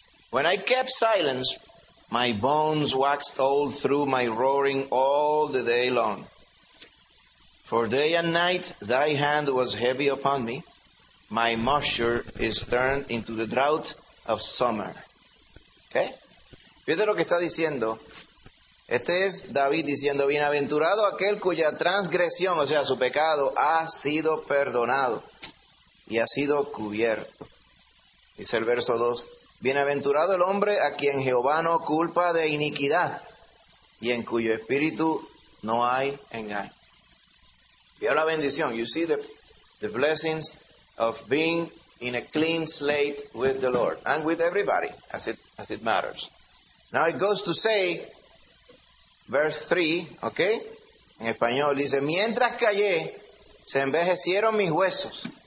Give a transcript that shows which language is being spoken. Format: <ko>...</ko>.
<en>When I kept silence, my bones waxed old through my roaring all the day long. For day and night thy hand was heavy upon me. My moisture is turned into the drought of summer.</en> <es>¿Okay? Fíjate lo que está diciendo. Este es David diciendo, bienaventurado aquel cuya transgresión, o sea, su pecado, ha sido perdonado y ha sido cubierto. Dice el verso 2. Bienaventurado el hombre a quien Jehová no culpa de iniquidad y en cuyo espíritu no hay engaño. Vio la bendición.</es> <en>You see the blessings of being in a clean slate with the Lord and with everybody as it matters. Now it goes to say, verse 3, okay?</en> <es>En español dice, mientras callé, se envejecieron mis huesos.</es>